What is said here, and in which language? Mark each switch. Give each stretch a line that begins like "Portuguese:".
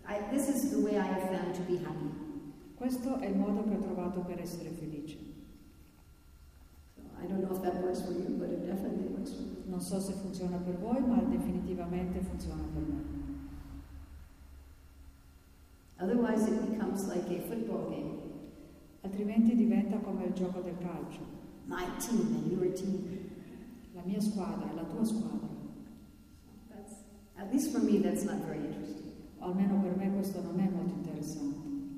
English: This is the way I have found to be happy.
Italian: Questo è il modo che ho trovato per essere felice.
English: So, I don't know if that works for you, but it definitely works for me.
Italian: Non so se funziona per voi, ma definitivamente funziona per me.
English: Otherwise it becomes like a football game.
Italian: Altrimenti diventa come il gioco del calcio.
English: My team and your team.
Italian: La mia squadra, la tua squadra.
English: That's, at least for me, that's not very interesting.
Italian: Almeno per me questo non è molto interessante.